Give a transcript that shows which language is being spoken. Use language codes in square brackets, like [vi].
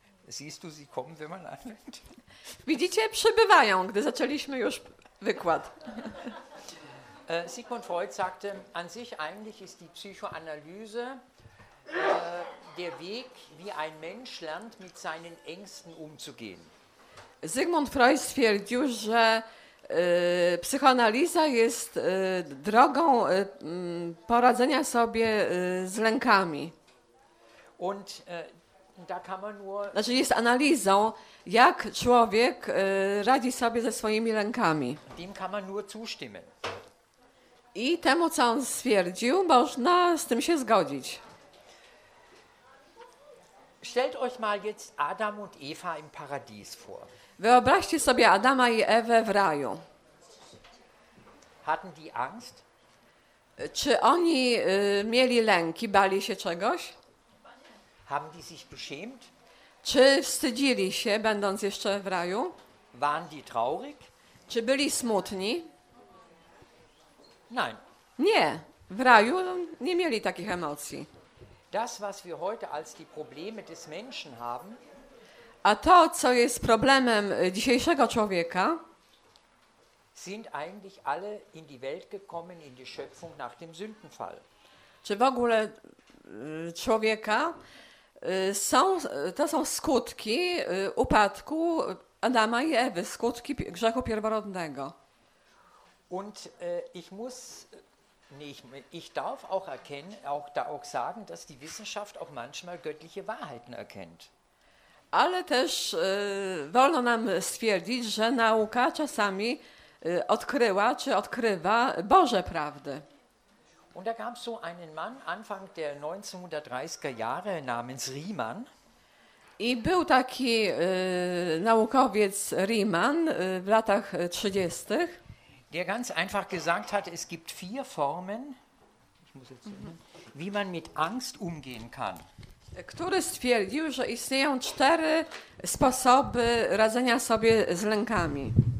[de] Siehst du, sie kommen, wenn man anfängt. [pl] Widzicie, przybywają, gdy zaczęliśmy już wykład. [de] Sigmund Freud sagte, an sich eigentlich ist die Psychoanalyse der Weg, wie ein Mensch lernt, mit seinen Ängsten umzugehen. [pl] Sigmund Freud stwierdził, że psychoanaliza jest drogą poradzenia sobie z lękami. [de] Und da kann man nur, [pl] znaczy jest analizą, jak człowiek radzi sobie ze swoimi lękami. [de] Dem kann man nur zustimmen. [pl] I temu, co on stwierdził, można z tym się zgodzić. [de] Stellt euch mal jetzt Adam und Eva im Paradies vor. [pl] Wyobraźcie sobie Adama i Ewę w raju. [de] Hatten die Angst? [pl] Czy oni mieli lęki, bali się czegoś? [de] Haben die sich beschämt? [pl] Czy wstydzili się, będąc jeszcze w raju? [de] Waren die traurig? [pl] Czy byli smutni? [de] Nein. [pl] Nie, w raju nie mieli takich emocji. [de] Das, was wir heute als die Probleme des Menschen haben, [pl] a to, co jest problemem dzisiejszego człowieka, [de] sind eigentlich alle in die Welt gekommen, in die Schöpfung nach dem Sündenfall. [pl] Czy w ogóle człowieka są, to są skutki upadku Adama i Ewy, skutki grzechu pierworodnego. [de] Und ich muss, nee, ich darf auch erkennen, auch da auch sagen, dass die Wissenschaft auch manchmal göttliche Wahrheiten erkennt. [pl] Ale też wolno nam stwierdzić, że nauka czasami odkryła czy odkrywa Boże prawdy. [de] Und da gab es so einen Mann Anfang der 1930er Jahre namens Riemann. [pl] I był taki naukowiec Riemann w latach 30. [de] Der ganz einfach gesagt hat, es gibt vier Formen, wie man mit Angst umgehen kann. [pl] Który stwierdził, że istnieją cztery sposoby radzenia sobie z lękami.